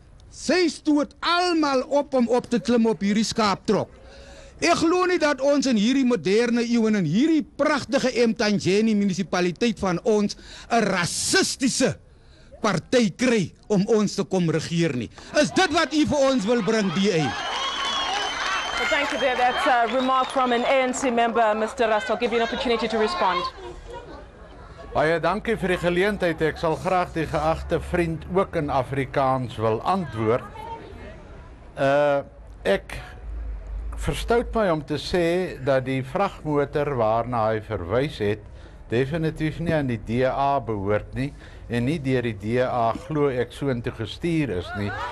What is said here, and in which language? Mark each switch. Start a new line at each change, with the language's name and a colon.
Afrikaans: Sy stoot almal op om op te klim op hierdie skaaptrok. Ek glo nie dat ons in hierdie moderne eeu en in hierdie pragtige Emtanjeni munisipaliteit van ons 'n rassistiese party kry om ons te kom regeer nie. Is dit wat u vir ons wil bring, DA?
English: Well, thank you there. That's a remark from an ANC member, Mr. Rust. I'll give you an opportunity to respond.
Afrikaans: Baie dankie vir die geleentheid. Ek sal graag die geagte vriend ook in Afrikaans wil antwoord. Ek verstout my om te sê dat die vragmotor waarna hy verwys het definitief nie aan die DA behoort nie en nie deur die DA glo ek so intoe gestuur is nie.